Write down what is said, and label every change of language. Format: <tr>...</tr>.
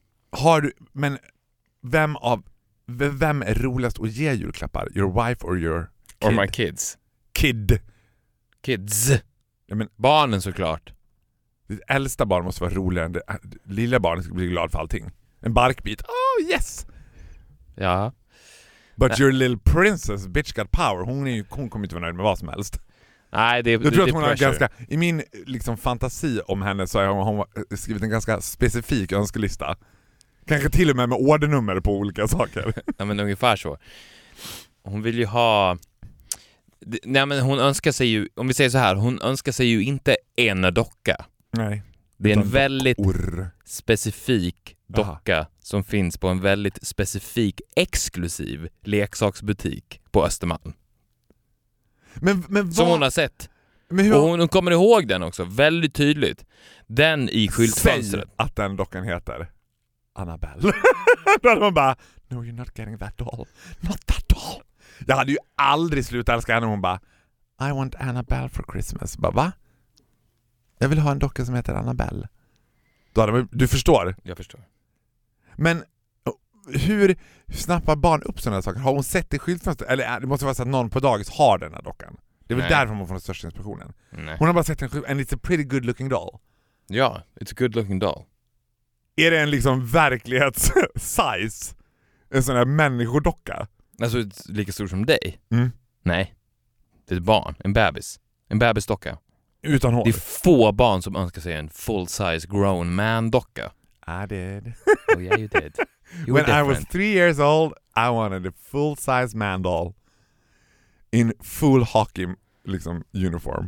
<sv>Har du, men vem är roligast att ge julklappar?</sv> <en>Your wife or your kid? Or my kids. Kid. Kids.</en> <sv>Ja, men barnen såklart. Ditt äldsta barn måste vara roligare än det. Lilla barnet ska bli glad för allting. En barkbit. Oh, yes! Ja.</sv> <en>But your little princess, bitch got power.</en> <sv>Hon kommer inte vara nöjd med vad som helst. Nej, det är pressure. Jag tror att hon har ganska... I min liksom, fantasi om henne så har hon skrivit en ganska specifik önskelista. Kanske till och med ordernummer på olika saker. Ja, men ungefär så. Hon vill ju ha... Nej, men hon önskar sig ju... Om vi säger så här, hon önskar sig ju inte en docka. Nej, det är en väldigt specifik docka. Aha. Som finns på en väldigt specifik exklusiv leksaksbutik på Östermalm. Men som hon har sett. Hon kommer ihåg den också väldigt tydligt. Den i skyltfönstret. Säg att den dockan heter. Annabelle. Då hade man bara,</sv> <en>no you're not getting that doll. Not that doll.</en> <sv>Jag hade ju aldrig slutat älska henne. Hon bara,</sv> <en>I want Annabelle for Christmas.</en> <sv>Jag bara, va? Jag vill ha en docka som heter Annabelle. Då hade man, du förstår? Jag förstår. Men hur snappar barn upp sådana saker? Har hon sett det i skyltfönstret? Eller det måste vara så att någon på dagis har den här dockan. Det är väl därför hon får den största inspirationen. Nej. Hon har bara sett en skylt.</sv> <en>And it's a pretty good looking doll. Ja, it's a good looking doll.</en> <sv>Är det en liksom verklighets size? En sån här människodocka? Alltså lika stor som dig? Mm. Nej. Det är ett barn. En bebis. En bebisdocka. Utan hår. Det är få barn som önskar sig en</sv> <en>full size grown man</en> <sv>docka.</sv> <en>I did. Oh yeah, you did. You When different. I was 3 years old, I wanted a full size man doll in full hockey liksom uniform.</en>